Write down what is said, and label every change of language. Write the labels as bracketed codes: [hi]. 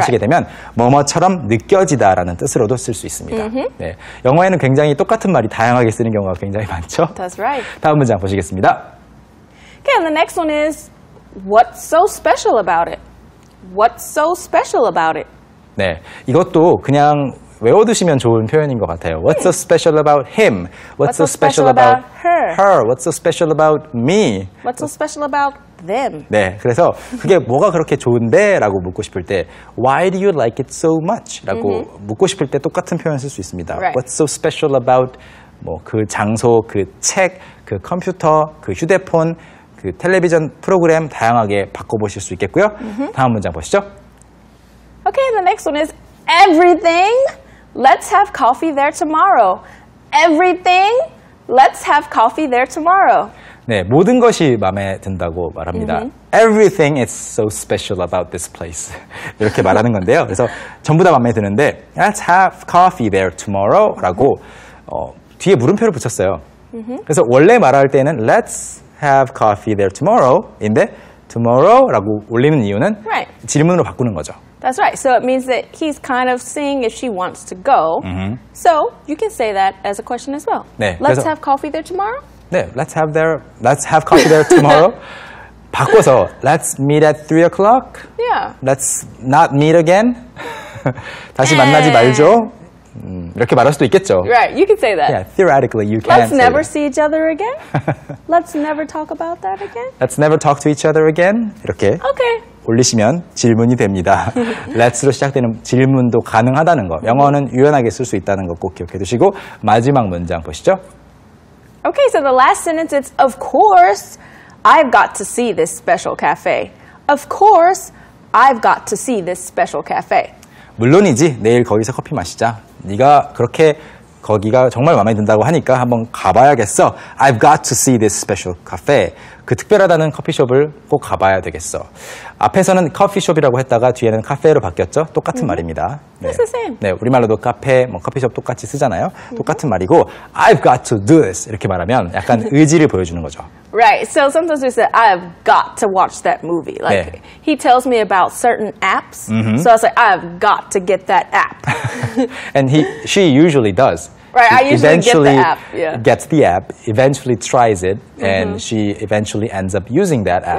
[ko] 하시게 되면 뭐뭐처럼 느껴지다라는 뜻으로도 쓸 수 있습니다. Mm-hmm. 네, 영어에는 굉장히 똑같은 말이 다양하게 쓰는 경우가 굉장히 많죠. [en] That's right. [ko] 다음 문장 보시겠습니다. [en] Okay, and the next one is what's so special about it? What's so special about it? [ko] 네, 이것도 그냥 외워두시면 좋은 표현인 것 같아요. [en] What's so special about him? What's so special about her? What's so special about me? What's so special about them? [ko] 네, 그래서 그게 뭐가 그렇게 좋은데? 라고 묻고 싶을 때 [en] Why do you like it so much? 라고 mm-hmm. [ko] 묻고 싶을 때 똑같은 표현을 쓸 수 있습니다. [en] Right. What's so special about [ko] 뭐 그 장소, 그 책, 그 컴퓨터, 그 휴대폰, 그 텔레비전 프로그램 다양하게 바꿔보실 수 있겠고요. Mm-hmm. 다음 문장 보시죠. [en] Okay, the next one is Everything, let's have coffee there tomorrow. Everything, let's have coffee there tomorrow. [ko] 네, 모든 것이 마음에 든다고 말합니다. [en] Mm-hmm. Everything is so special about this place. [ko] 이렇게 말하는 건데요. 그래서 전부 다 마음에 드는데 [en] Let's have coffee there tomorrow [ko] 라고 뒤에 물음표를 붙였어요. Mm-hmm. 그래서 원래 말할 때는 [en] Let's have coffee there tomorrow [ko] 인데 tomorrow 라고 올리는 이유는 [en] right. [ko] 질문으로 바꾸는 거죠. [en] That's right. So it means that he's kind of seeing if she wants to go. Mm-hmm. So you can say that as a question as well. [ko] 네, [en] let's [ko] 그래서, [en] have coffee there tomorrow? 네, let's have coffee there tomorrow. [ko] 바꿔서 [en] let's meet at 3 o'clock. Yeah. Let's not meet again. [ko] 다시 만나지 말죠. 이렇게 말할 수도 있겠죠. [en] Right, you can say that. Yeah, theoretically you can. Let's never see each other again. Let's never talk about that again. Let's never talk to each other again. [ko] 이렇게. [en] Okay. [ko] 올리시면 질문이 됩니다. Let's로 시작되는 질문도 가능하다는 거. 영어는 유연하게 쓸 수 있다는 거 꼭 기억해 두시고 마지막 문장 보시죠. [en] Okay, so the last sentence is of course I've got to see this special cafe. Of course I've got to see this special cafe. [ko] 물론이지. 내일 거기서 커피 마시자. 네가 그렇게 거기가 정말 마음에 든다고 하니까 한번 가봐야겠어. [en] I've got to see this special cafe. [ko] 그 특별하다는 커피숍을 꼭 가봐야 되겠어. 앞에서는 커피숍이라고 했다가 뒤에는 카페로 바뀌었죠? 똑같은 mm-hmm. 말입니다. [en] 네. It's the same. [ko] 네, 우리말로도 카페, 뭐 커피숍 똑같이 쓰잖아요. Mm-hmm. 똑같은 말이고 [en] I've got to do this [ko] 이렇게 말하면 약간 의지를 보여주는 거죠. [en] Right. So sometimes we say I've got to watch that movie. Like [ko] 네. [en] he tells me about certain apps. Mm-hmm. So I say I've got to get that app. And she usually does. Right, she I usually eventually get the app. Yeah. Gets the app, eventually tries it, mm-hmm. and she eventually ends up using that app